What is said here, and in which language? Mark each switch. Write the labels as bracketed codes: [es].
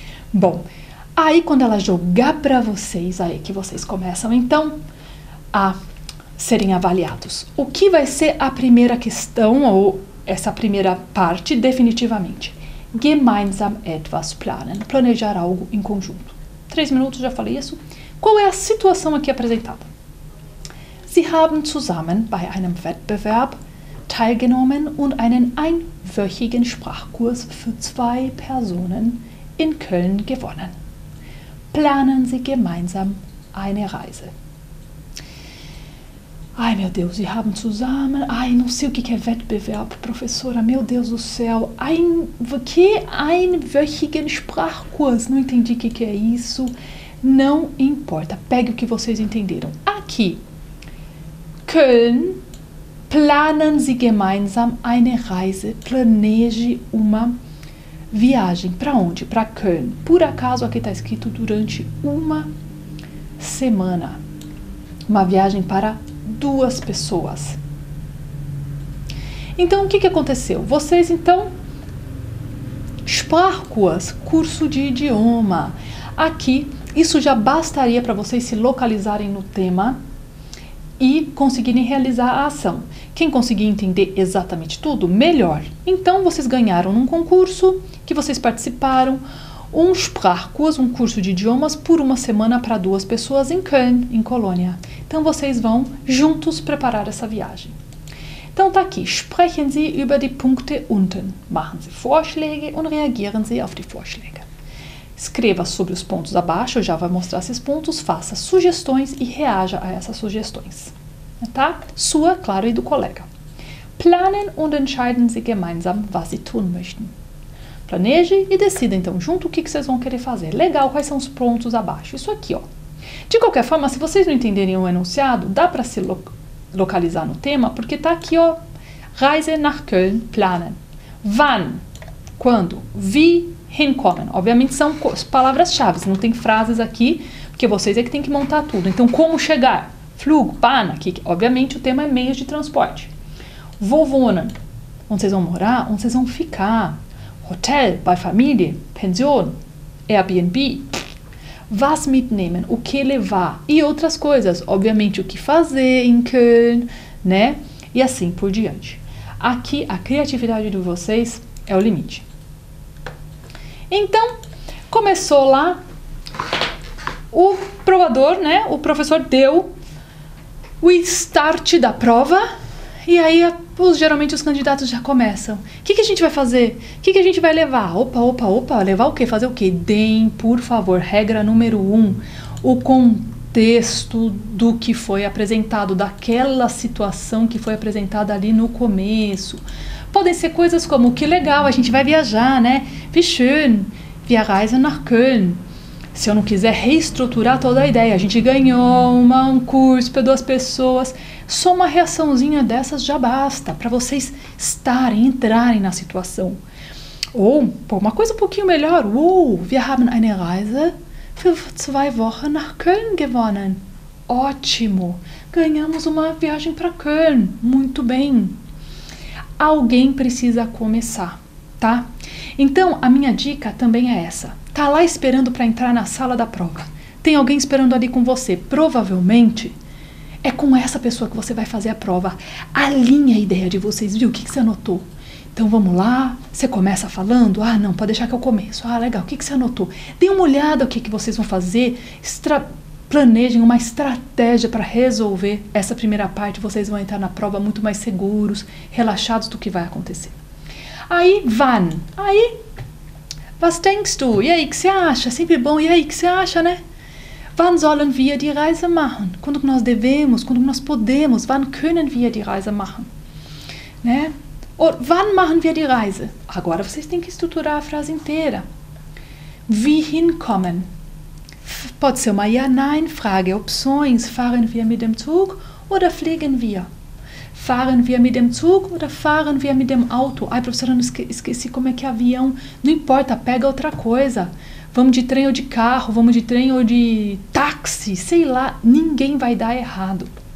[pt] Bom, aí quando ela jogar pra vocês, aí que vocês começam, então, a serem avaliados. O que vai ser a primeira questão, ou essa primeira parte, definitivamente? [de] Gemeinsam etwas planen, [pt] planejar algo em conjunto. 3 minutos, já falei isso. Qual é a situação aqui apresentada? [de] Sie haben zusammen bei einem Wettbewerb teilgenommen und einen einwöchigen Sprachkurs für 2 Personen in Köln gewonnen. Planen Sie gemeinsam eine Reise. [pt] Ai, meu Deus, [de] Sie haben zusammen... [pt] Ai, não sei o que é Wettbewerb, professora. Meu Deus do céu. [de] Einwöchigen Sprachkurs. [pt] Não entendi o que é isso. Não importa. Pegue o que vocês entenderam. Aqui. Köln. [de] Planen Sie gemeinsam eine Reise. [pt] Planeje uma viagem. Para onde? Para Köln. Por acaso, aqui está escrito durante uma semana. Uma viagem para 2 pessoas. Então, o que aconteceu? Vocês, então, Sprachkurs, curso de idioma. Aqui, isso já bastaria para vocês se localizarem no tema e conseguirem realizar a ação. Quem conseguir entender exatamente tudo, melhor. Então, vocês ganharam num concurso que vocês participaram, um Sprachkurs, um curso de idiomas, por uma semana para 2 pessoas em Köln, em Colônia. Então, vocês vão juntos preparar essa viagem. Então, tá aqui. [de] Sprechen Sie über die Punkte unten. Machen Sie Vorschläge und reagieren Sie auf die Vorschläge. [pt] Escreva sobre os pontos abaixo, já vai mostrar esses pontos. Faça sugestões e reaja a essas sugestões. Tá? Sua, claro, e do colega. [de] Planen und entscheiden Sie gemeinsam, was Sie tun möchten. [pt] Planeje e decida, então, junto o que vocês vão querer fazer. Legal, quais são os pontos abaixo? Isso aqui, ó. De qualquer forma, se vocês não entenderem o enunciado, dá para se localizar no tema, porque tá aqui, ó. [de] Reise nach Köln planen. Wann? Quando? Wie hinkommen? [pt] Obviamente são palavras-chave, não tem frases aqui, porque vocês é que tem que montar tudo. Então, como chegar? Flug, Bahn, aqui, obviamente o tema é meios de transporte. [de] Wo wohnen? [pt] Onde vocês vão morar? Onde vocês vão ficar? [de] Hotel, bei Familie, Pension, Airbnb. Was mitnehmen? [pt] O que levar? E outras coisas. Obviamente, o que fazer em Köln, né? E assim por diante. Aqui, a criatividade de vocês é o limite. Então, começou lá o provador, né? O professor deu o start da prova. E aí, geralmente, os candidatos já começam. O que a gente vai fazer? O que a gente vai levar? Opa. Levar o quê? Fazer o quê? Deem, por favor, regra número 1, o contexto do que foi apresentado, daquela situação que foi apresentada ali no começo. Podem ser coisas como, que legal, a gente vai viajar, né? [de] Wie schön, wir reisen nach Köln. [pt] Se eu não quiser reestruturar toda a ideia, a gente ganhou um curso para 2 pessoas. Só uma reaçãozinha dessas já basta para vocês estarem, entrarem na situação. Ou, pô, uma coisa um pouquinho melhor. [de] Wir haben eine Reise für 2 Wochen nach Köln gewonnen. [pt] Ótimo! Ganhamos uma viagem para Köln. Muito bem. Alguém precisa começar, tá? Então, a minha dica também é essa. Tá lá esperando para entrar na sala da prova. Tem alguém esperando ali com você. Provavelmente é com essa pessoa que você vai fazer a prova. Alinha a ideia de vocês, viu? O que você anotou? Então vamos lá, você começa falando, ah não, pode deixar que eu começo, ah legal, o que, que você anotou? Dê uma olhada o que, que vocês vão fazer, planejem uma estratégia para resolver essa primeira parte, vocês vão entrar na prova muito mais seguros, relaxados do que vai acontecer. Aí, wann, aí, [de] was denkst du? [pt] E aí, o que você acha? Sempre bom, e aí, o que você acha, né? [de] Wann sollen wir die Reise machen? [pt] Quando nós devemos, quando nós podemos, [de] wann können wir die Reise machen? Né? Or, wann machen wir die Reise? [pt] Agora vocês têm que estruturar a frase inteira. [de] Wie hinkommen? [pt] Pode ser uma ja-nein-Frage, opções. [de] Fahren wir mit dem Zug oder fliegen wir? Fahren wir mit dem Zug oder fahren wir mit dem Auto? [pt] Ai, professora, não esqueci como é que é avião. Não importa, pega outra coisa. Vamos de trem ou de carro, vamos de trem ou de táxi. Sei lá, ninguém vai dar errado.